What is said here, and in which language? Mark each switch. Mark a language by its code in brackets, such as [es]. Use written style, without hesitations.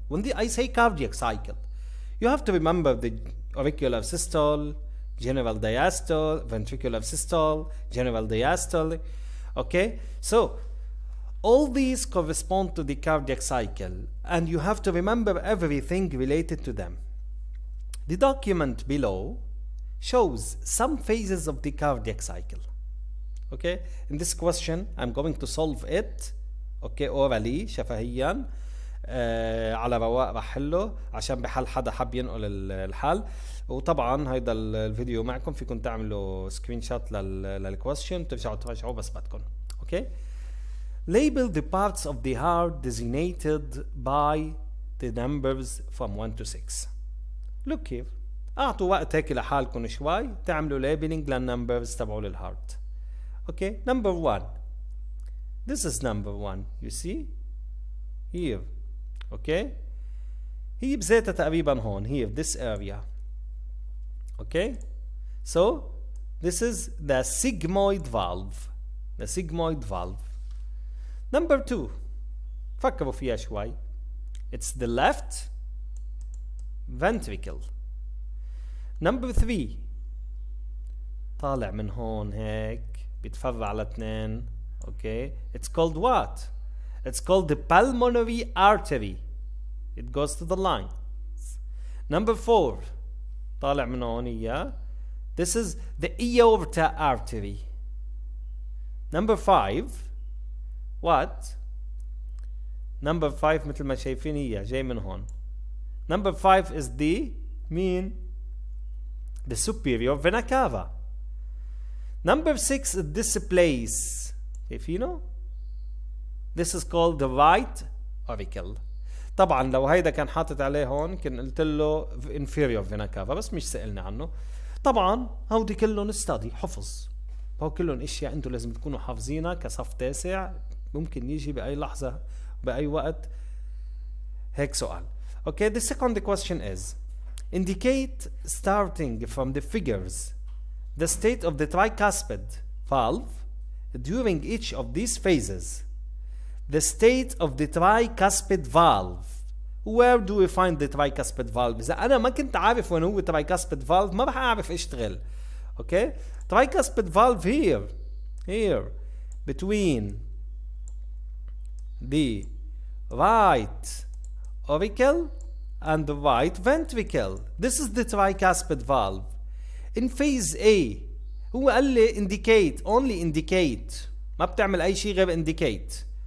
[en] When I say cardiac cycle, you have to remember the auricular systole, general diastole, ventricular systole, general diastole. Okay? So, all these correspond to the cardiac cycle, and you have to remember everything related to them. The document below shows some phases of the cardiac cycle. Okay? In this question, I'm going to solve it, okay, orally, شفهياً, [ar] على رواق راح حله عشان بحال حدا حب ينقل الحال. وطبعاً هيدا الفيديو معكم, فيكن تعملوا سكرين شوت للكويشن ترجعوا تراجعوا بس بدكن. [en] Okay? Label the parts of the heart designated by the numbers from 1 to 6. Look here. [ar] أعطوا وقت هيك لحالكم شوي تعملوا labeling للnumbers تبعوا للheart. [en] Okay, number one. This is number one. You see? Here. Okay? [ar] هي بزيتها تقريبا هون. [en] Here, this area. Okay? So, this is the sigmoid valve. The sigmoid valve. Number two, [ar] فكروا فيها شوي. [en] It's the left ventricle. Number three, [ar] طالع من هون هيك, بيتفرع على اثنين. [en] Okay, it's called what? It's called the pulmonary artery. It goes to the lungs. Number four, [ar] طالع من هون إياه. [en] This is the aorta artery. Number five, what? Number five, [ar] مثل ما شايفين هي جاي من هون. [en] Number five is the mean, the superior vena cava. Number six is this place. [ar] شايفينه? [en] This is called the right auricle. [ar] طبعا لو هيدا كان حاطط عليه هون كان قلت له inferior vena cava, بس مش سألني عنه. طبعا هودي كلهم study, حفظ. هو كلهم اشياء انتم لازم تكونوا حافظينها كصف تاسع. ممكن يجي بأي لحظة بأي وقت هيك سؤال. [en] Okay, the second question is indicate starting from the figures the state of the tricuspid valve during each of these phases. The state of the tricuspid valve. Where do we find the tricuspid valve? [ar] إذا أنا ما كنت عارف وين هو tricuspid valve ما رح أعرف أشتغل. [en] Okay, tricuspid valve here between the right auricle and the right ventricle. This is the tricuspid valve. In phase A, [ar] هو قال لي [en] indicate, only indicate. [ar] ما بتعمل أي شيء غير indicate.